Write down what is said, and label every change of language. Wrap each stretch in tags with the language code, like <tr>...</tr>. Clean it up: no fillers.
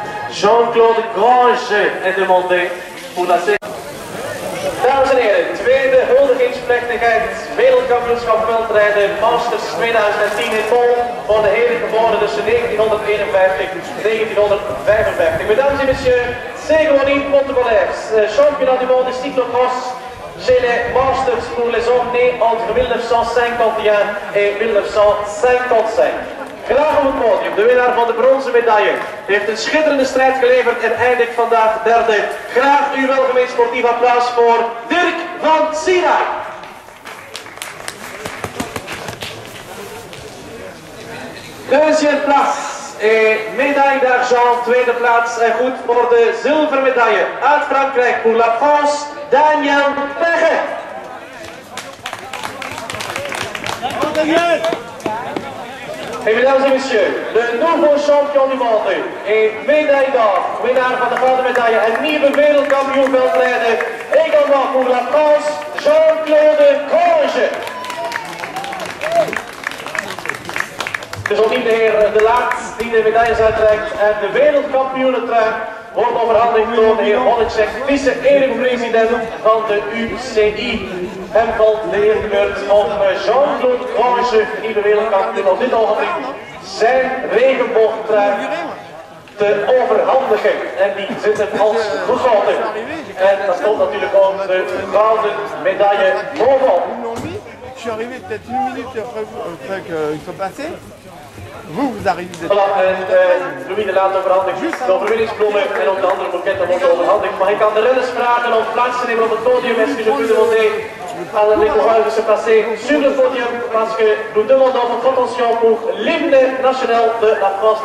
<fr>Jean-Claude Gorge en de Monde pour la Cé.</fr> <nl>Dames en heren, tweede huldigingsplechtigheid, wereldkampioenschap veldrijden, Masters 2010 in Pol, voor de heren geboren tussen 1951 en 1955.</nl> <fr>Mesdames en messieurs, Cérémonie Pontevalais, championnat du monde cyclocross, chez les Masters pour les hommes entre 1951 et 1955.</fr> <nl>Graag op het podium, de winnaar van de bronzen medaille. Heeft een schitterende strijd geleverd en eindigt vandaag derde. Graag uw welgemeen sportief applaus voor Dirk van Sinaï.</nl> <fr>Deuxième place, médaille d'argent,</fr> <nl>tweede plaats. En goed voor de zilveren medaille uit Frankrijk,</nl> <fr>pour la France,</fr> <nl>Daniel Pegge.</nl> <fr>Hey, mesdames et messieurs, de nouveau champion du monde et médaille d'or,</fr> <nl>winnaar van de gouden medaille en nieuwe wereldkampioen veldrijden,</nl> <fr>également pour la France, Jean-Claude Gorge.</fr> <nl>Dus opnieuw de heer De Laat die de medailles uitreikt en de wereldkampioenentrui wordt overhandigd door de heer Holacek, vice-eredepresident van de UCI. Hem valt de eer gebeurd om Jean-Claude Gorge, nieuwe wereldkampioen op dit ogenblik, zijn regenboogtrui te overhandigen. En die zit hem als gegoten. En dat komt natuurlijk ook de gouden medaille bovenop.</nl> <fr>Je suis arrivé peut-être une minute après qu'ils sont passés. Vous arrivez d'être...</fr> <nl>Voilà, Louis de Laat overhandigt juste de overwinningsbloemen en ook de andere boeketten worden overhandigd. Maar ik kan de renners vragen om plaats te nemen op het podium.</nl> <fr>Est-ce que je peux demander à la Lécoeuvre passé sur le podium? Parce que nous demandons votre attention pour l'hymne national de la France.</fr>